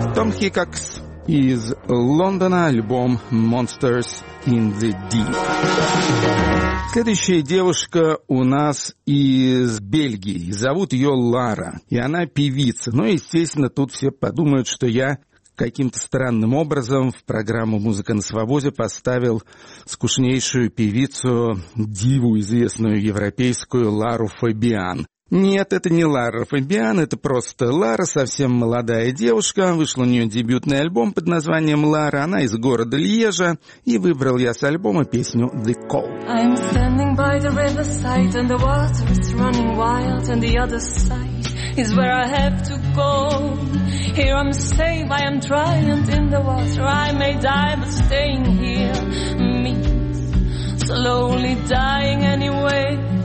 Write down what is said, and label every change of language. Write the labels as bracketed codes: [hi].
[ru] Hickox из Лондона, альбом «Monsters in the Deep». Следующая девушка у нас из Бельгии. Зовут ее Лара, и она певица. Ну, естественно, тут все подумают, что я каким-то странным образом в программу «Музыка на свободе» поставил скучнейшую певицу, диву известную европейскую Лару Фабиан. Нет, это не Лара Фабиан, это просто Лара, совсем молодая девушка. Вышел у нее дебютный альбом под названием «Лара». Она из города Льежа. И выбрал я с альбома песню «The Call». [en] I'm standing by the riverside, and the water is running wild, and the other side is where I have to go. Here I'm safe, I am drowned in the water. I may die, but staying here means slowly dying anyway.